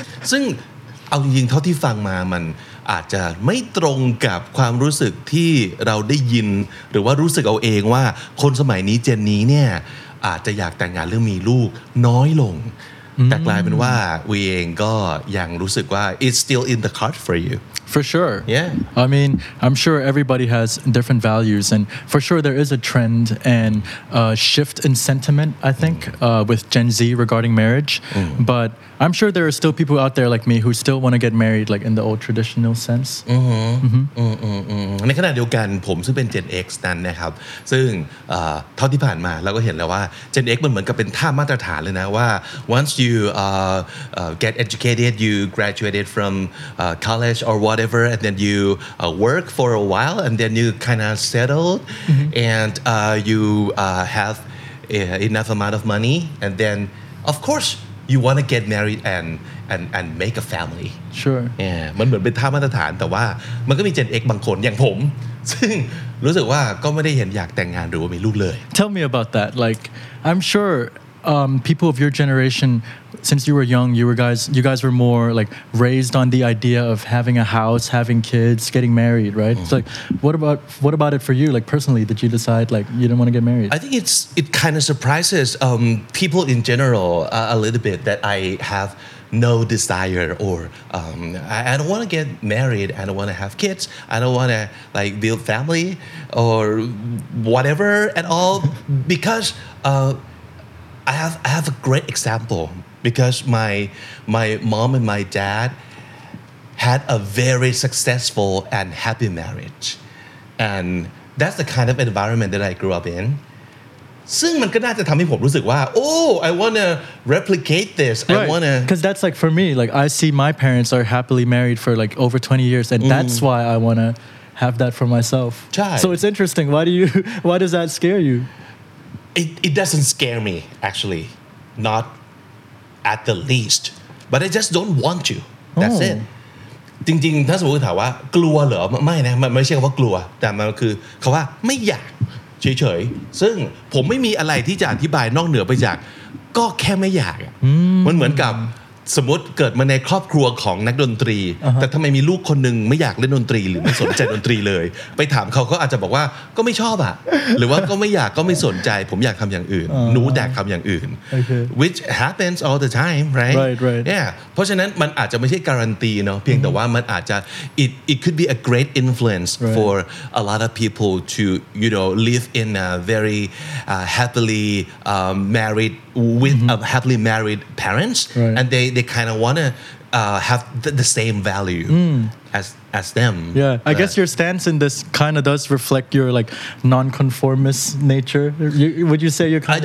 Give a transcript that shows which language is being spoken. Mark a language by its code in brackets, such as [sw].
[th] ซึ่งเอาจริงๆเท่าที่ฟังมามันอาจจะไม่ตรงกับความรู้สึกที่เราได้ยินหรือว่ารู้สึกเอาเองว่าคนสมัยนี้เจนนี้เนี่ยอาจจะอยากแต่งงานหรือมีลูกน้อยลงแต่กลายเป็นว่าวีเองก็ยังรู้สึกว่า [en] it's still in the card for you For sure. Yeah. I mean, I'm sure everybody has different values. And for sure, there is a trend and a shift in sentiment, I think, with Gen Z regarding marriage. But I'm sure there are still people out there like me who still want to get married, like in the old traditional sense. [th] ในขณะเดียวกันผมซึ่งเป็น Gen X นั้นนะครับซึ่งเท่าที่ผ่านมาเราก็เห็นแล้วว่า Gen X มันเหมือนกับเป็นท่ามาตรฐานเลยนะว่า [en] once you get educated, you graduated from college or whatever, and then you work for a while, and then you kind of settled, and you have enough amount of money, and then, of course, you want to get married and make a family. Sure. [th] Yeah. มันเหมือนเป็นท่ามาตรฐานแต่ว่ามันก็มี Gen X บางคนอย่างผมซึ่งรู้สึกว่าก็ไม่ได้เห็นอยากแต่งงานหรือว่ามีลูกเลย [en] Tell me about that. Like, I'm sure people of your generation. Since you were young, you guys were more like raised on the idea of having a house, having kids, getting married, right? Mm-hmm. So, like, what about it for you? Like personally, did you decide like you didn't want to get married? I think it kind of surprises people in general a little bit that I have no desire or I don't want to get married. I don't want to have kids. I don't want to like build family or whatever at all because I have a great example. Because my mom and my dad had a very successful and happy marriage. And that's the kind of environment that I grew up in. [th] ซึ่งมันก็น่าจะทำให้ผมรู้สึกว่า [en] Oh, I want to replicate this. Right. I want to... Because that's like for me, like I see my parents are happily married for like over 20 years. And that's why I want to have that for myself. [th] Chai. [en] So it's interesting. Why does that scare you? It doesn't scare me, actually. Not... at the least but I just don't want to that's it [th] จริงๆถ้าสมมติถามว่ากลัวเหรอไม่นะมันไม่ใช่คำว่ากลัวแต่มันคือคำว่าไม่อยากเฉยๆซึ่งผมไม่มีอะไรที่จะอธิบายนอกเหนือไปจากก็แค่ไม่อยาก มันเหมือนกับสมมติเกิดมาในครอบครัวของนักดนตรีแต่ทำไมมีลูกคนนึงไม่อยากเล่นดนตรีหรือไม่สนใจดนตรีเลยไปถามเขาก็อาจจะบอกว่าก็ไม่ชอบอะหรือว่าก็ไม่อยากก็ไม่สนใจผมอยากทำอย่างอื่นหนูแดกทำอย่างอื่น [en] which happens all the time right yeah [th] เพราะฉะนั้นมันอาจจะไม่ใช่การันตีเนาะเพียงแต่ว่ามันอาจจะ [en] it could be a great influence for a lot of people to you know live in a very happily marriedwith a happily married parents right. and they kind of want to have the same value as them yeah I but, guess your stance in this kind of does reflect your like non-conformist nature would you say you're kind